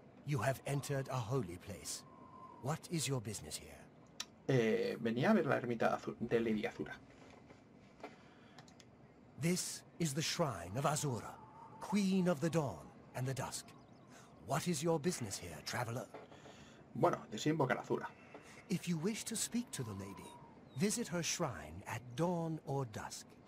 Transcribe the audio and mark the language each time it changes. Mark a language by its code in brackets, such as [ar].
[en] You have entered a holy place. What is your business here? [es] Venía a ver la ermita de Lady Azura. [en] This is the shrine of Azura, Queen of the Dawn and the Dusk. What is your business here, traveler? [es] Bueno, desembocar Azula. [en] If you wish to speak to the lady, visit her shrine at dawn or dusk.